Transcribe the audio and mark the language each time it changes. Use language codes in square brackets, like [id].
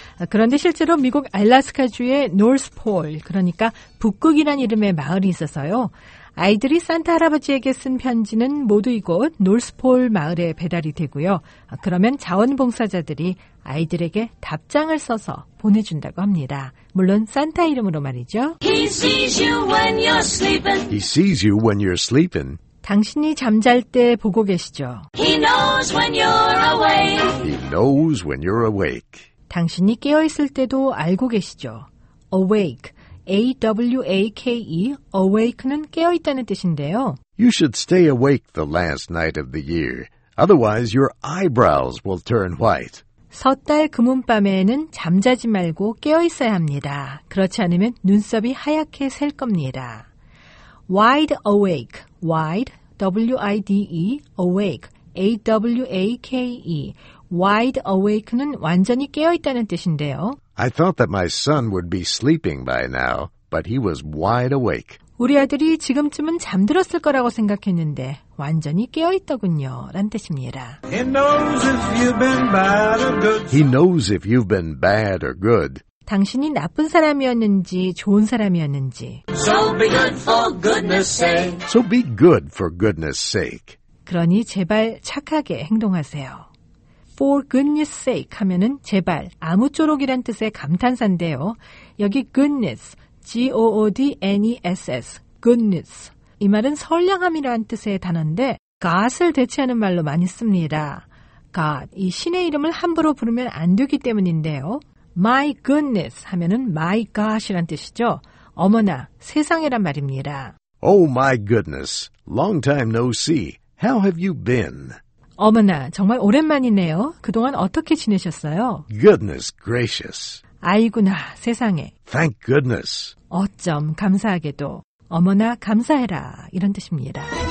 [ko] 그런데 실제로 미국 알래스카주의 노스폴, 그러니까 북극이란 이름의 마을이 있어서요. 아이들이 산타 할아버지에게 쓴 편지는 모두 이곳 노스폴 마을에 배달이 되고요. 그러면 자원봉사자들이 아이들에게 답장을 써서 보내준다고 합니다. 물론 산타 이름으로 말이죠. [en] He sees you when you're sleeping. He sees you when you're sleeping. [ko] 당신이 잠잘 때 보고 계시죠. [en] He knows when you're awake. He knows when you're awake. [ko] 당신이 깨어있을 때도 알고 계시죠. Awake, A-W-A-K-E, awake는 깨어있다는 뜻인데요. [en] You should stay awake the last night of the year. Otherwise, your eyebrows will turn white. [ko] 섣달 금은밤에는 잠자지 말고 깨어있어야 합니다. 그렇지 않으면 눈썹이 하얗게 셀 겁니다. [en] Wide awake, wide, W-I-D-E, awake, A-W-A-K-E, wide awake는 [ko] 완전히 깨어있다는 뜻인데요. [en] I thought that my son would be sleeping by now, but he was wide awake. [ko] 우리 아들이 지금쯤은 잠들었을 거라고 생각했는데 완전히 깨어있더군요. 라는 뜻입니다. [en] He knows if you've been bad or good. He knows if you've been bad or good. [ko] 당신이 나쁜 사람이었는지 좋은 사람이었는지. [en] So be good for goodness sake. So be good for goodness sake. [ko] 그러니 제발 착하게 행동하세요. For goodness sake 하면은 제발 아무쪼록이란 뜻의 감탄사인데요. 여기 goodness, G-O-O-D-N-E-S-S, goodness. 이 말은 선량함이라는 뜻의 단어인데 God을 대체하는 말로 많이 씁니다. God, 이 신의 이름을 함부로 부르면 안 되기 때문인데요. My goodness 하면은 my God이란 뜻이죠. 어머나, 세상에란 말입니다. [en] Oh my goodness, long time no see. How have you been? [ko] 어머나, 정말 오랜만이네요. 그동안 어떻게 지내셨어요? [en] Goodness gracious. [ko] 아이구나, 세상에. [en] Thank goodness. [ko] 어쩜 감사하게도. 어머나, 감사해라. 이런 뜻입니다.